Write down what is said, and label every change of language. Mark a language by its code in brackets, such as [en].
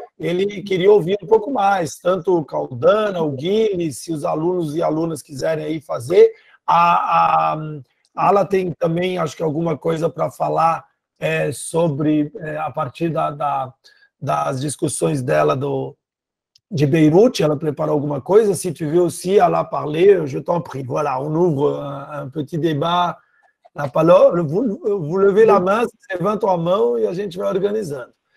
[pt] Ele queria ouvir um pouco mais, tanto o Caldana, o Guilherme, se os alunos e alunas quiserem aí fazer. A Ala tem também, acho que, alguma coisa para falar sobre, a partir das discussões dela de Beyrouth, ela preparou alguma coisa. [fr] Se tu veux aussi à la parler, je t'en prie. Voilà, on ouvre un petit débat. La parole, vous levez la main, [pt] você levanta a mão e a gente vai organizando.